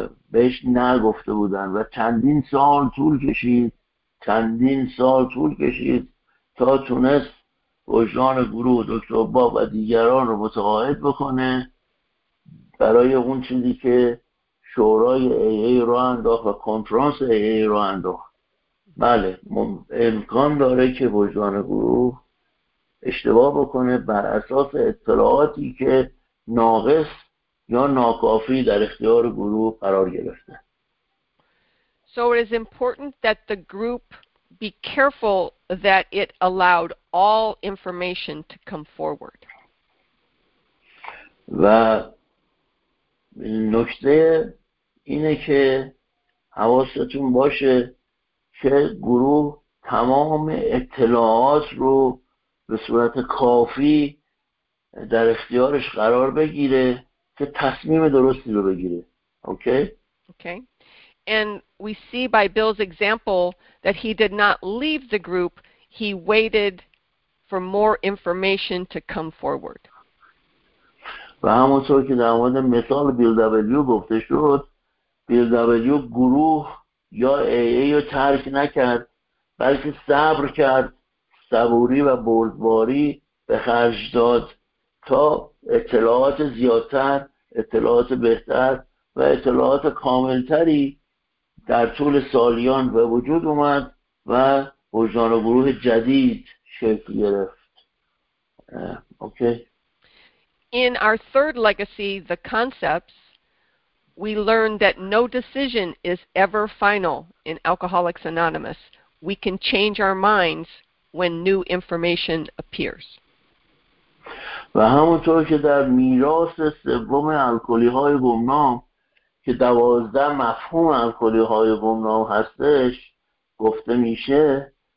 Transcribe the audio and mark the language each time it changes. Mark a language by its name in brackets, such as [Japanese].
[Persian] بهش نگفته بودن و چندین سال طول کشید تا تونست وجدان گروه دکتر باب و دیگران رو متقاعد بکنه برای اون چیزی که شورای AA رو انداخت و کنفرانس AA رو انداخت. بله، امکان داره که وجدان گروه اشتباه بکنه بر اساس اطلاعاتی که ناقص یا ناکافی در اختیار گروه قرار گرفته. [English] So it is important that the group be careful that it allowed all information to come forward. [Persian] و نکته اینه که حواستون باشه که گروه تمام اطلاعات رو به صورت کافی در اختیارش قرار بگیره که تصمیم درستی رو بگیره. [English] Okay. And we see by Bill's example that he did not leave the group, he waited for more information to come forward. [Persian] و همونطور که در مورد مثال بیل دبلیو گفته شد، بیل دبلیو گروه یا AA رو ترک نکرد، بلکه صبر کرد، صبوری و بردباری به خرج داد تا اطلاعات زیادتر، اطلاعات بهتر و اطلاعات کاملتری در طول سالیان به وجود اومد و وجدان گروه جدید شکل گرفت. [English] Okay. In our third legacy, the concepts, we learn that no decision is ever final in Alcoholics Anonymous. We can change our minds when new information appears. [Persian] و همونطور که در میراث سوم الکلی‌های گمنام که 12 مفهوم الکلی‌های گمنام هستش گفته میشه،